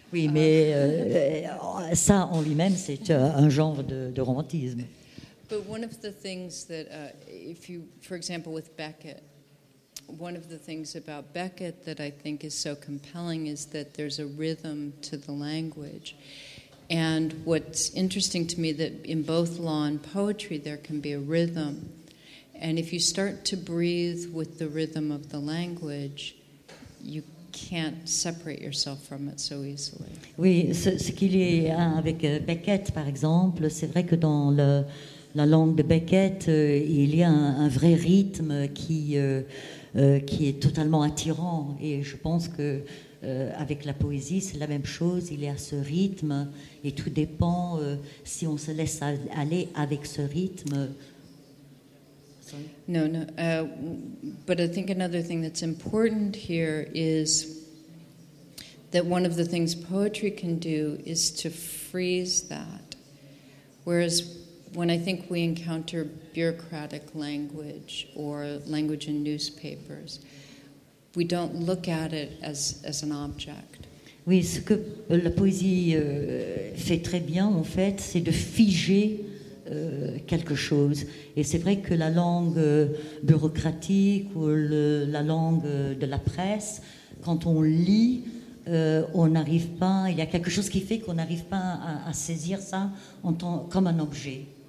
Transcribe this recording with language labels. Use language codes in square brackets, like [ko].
[fr] Oui, mais ça en lui-même, c'est un genre de romantisme. [en] But one of the things that, if you, for example, with Beckett. One of the things about Beckett that I think is so compelling is that there's a rhythm to the language. And what's interesting to me that in both law and poetry there can be a rhythm. And if you start to breathe with the rhythm of the language, you can't separate yourself from it so easily. [fr] Oui, ce qu'il y a avec Beckett, par exemple, c'est vrai que dans le, la langue de Beckett, il y a un vrai rythme qui... qui est totalement attirant, et je pense que avec la poésie c'est la même chose, il y a ce rythme et tout dépend si on se laisse aller avec ce rythme. [en] Sorry. No, no. But I think another thing that's important here is that one of the things poetry can do is to freeze that, whereas when I think we encounter bureaucratic language or language in newspapers, we don't look at it as an object. [fr] Oui, ce que la poésie fait très bien, en fait, c'est de figer quelque chose. Et c'est vrai que la langue bureaucratique ou la langue de la presse, quand on lit, on n'arrive pas, il y a quelque chose qui fait qu'on n'arrive pas à saisir ça en tant, comme un objet.